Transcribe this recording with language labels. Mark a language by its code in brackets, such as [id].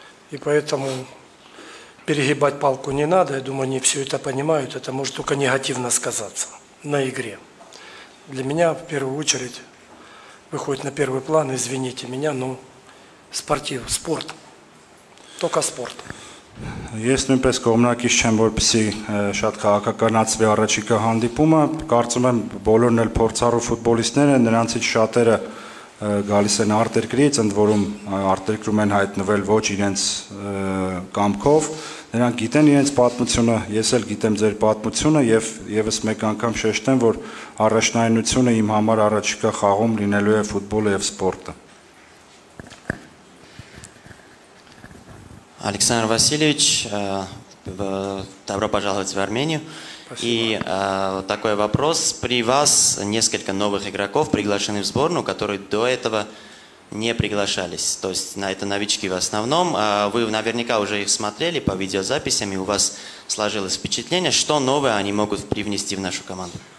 [ru] И поэтому перегибать палку не надо. Я думаю, они все это понимают. Это может только негативно сказаться на игре. Для меня, в первую очередь, выходит на первый план, извините меня, но спортив, спорт, только спорт. [hy] Ես նույնպես կողմնակից եմ, որպեսզի շատ քաղաքականացվի առաջիկա հանդիպումը, կարծում եմ բոլորն էլ փորձառու ֆուտբոլիստներ են, նրանցից շատերը գալիս են արտերկրից, ընդ որում արտերկրում են հայտնվել ոչ իրենց կամքով, նրանք գիտեն իրենց պատմությունը, ես էլ գիտեմ ձեր պատմությունը եւ եւս մեկ անգամ շեշտեմ, որ առաջնայինությունը իմ համար առաջիկա խաղում լինելու է ֆուտբոլը եւ սպորտը։ [ru] Александр Васильевич, добро пожаловать в Армению. И такой вопрос. При вас несколько новых игроков приглашены в сборную, которые до этого не приглашались. То есть это новички в основном. Вы наверняка уже их смотрели по видеозаписям, и у вас сложилось впечатление, что новое они могут привнести в нашу команду.